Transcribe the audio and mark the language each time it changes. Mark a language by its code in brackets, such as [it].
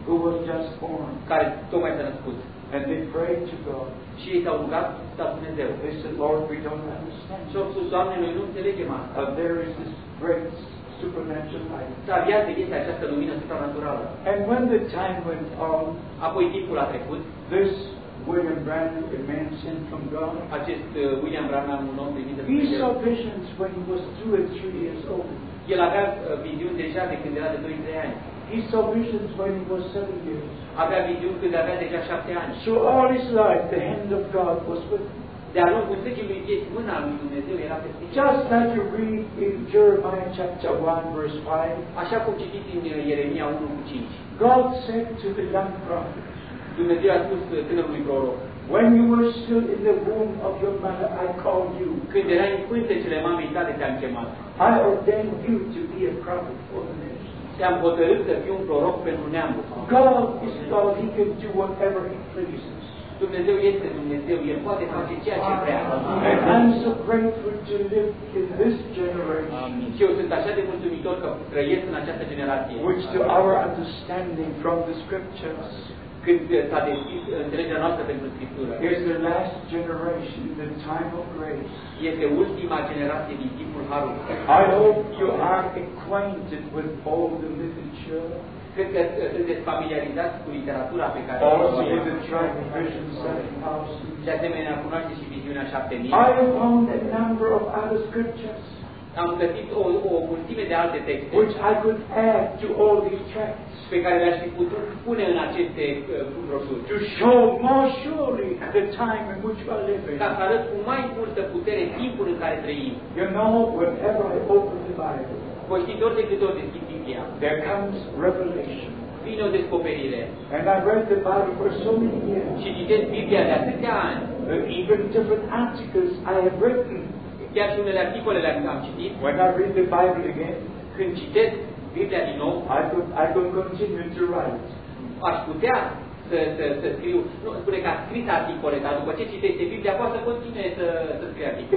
[en] Who was just born? [ro] Care tocmai s-a născut. [en] And they prayed to God. [ro] Și ei s-au rugat la Dumnezeu. [en] They said, Lord, we don't understand. [ro] Și au spus, Doamne, noi nu înțelegem asta. [en] But there is this great supernatural light. [ro] Dar viața este această lumină supranaturală. [en] And when the time went on, [ro] apoi timpul a trecut, [en] this William Branham, a man sent from God. [ro] Acest William Branham, un om primit de Dumnezeu. [en] He saw visions when he was 2 or 3 years old. [ro] El avea viziuni deja de când era de 2-3 ani. [en] He saw visions when he was 7 years. [ro] Avea viziuni când avea deja 7 ani. [en] So all his life, the hand of God was with him. [ro] De-a lungul întregii lui vieți, mâna lui Dumnezeu era peste. [en] Just like you read in Jeremiah chapter 1 verse 5. [ro] Așa cum citit în Ieremia 1:5. [en] God said to the young prophet. [ro] Dumnezeu a spus tânărului proroc. [en] When you were still in the womb of your mother, I called you. [ro] Când erai în pântecele mamei tale, te-am chemat. [en] I ordained you to be a prophet for the nation. [ro] Te-am hotărât să fii un proroc pentru neamul. [en] God is God, He can do whatever He pleases. [ro] Dumnezeu este Dumnezeu, El poate face ceea ce vrea. [en] I'm so grateful to live in this generation. [ro] Și eu sunt așa de mulțumitor că trăiesc în această generație. [en] Which to our understanding from the scriptures. [ro] când s-a deschis înțelegerea noastră pentru Scriptură. [en] Here's the last generation, the time of grace. [ro] Este ultima generație din timpul harului. [en] I hope you are acquainted with all the literature. [ro] Cred că sunteți familiarizați cu literatura pe care also o trăiește. De asemenea, cunoașteți și viziunea 7000. [en] I have found a number of other scriptures. [ro] Am găsit o mulțime de alte texte. [en] Which I could add to all these texts. [ro] Pe care le-aș fi putut pune în aceste brosuri. [en] To show more surely the time in which we are living. [ro] Ca să arăt cu mai multă putere timpul în care trăim. [en] You know, whenever I open the Bible. [ro] Voi știți ori de câte ori deschid Biblia. [en] There comes revelation. [ro] Vine o descoperire. [en] And I read the Bible for so many years. [ro] Și citesc Biblia de atâtea ani. [en] But even different articles I have written. [ro] Chiar și unele articole le-am citit. [en] When I read the Bible again, [ro] când citesc Biblia din nou, [en] I could continue to write. [ro] Aș putea să scriu, nu spune că a scris articole, dar după ce citește Biblia, poate să continue să scrie articole.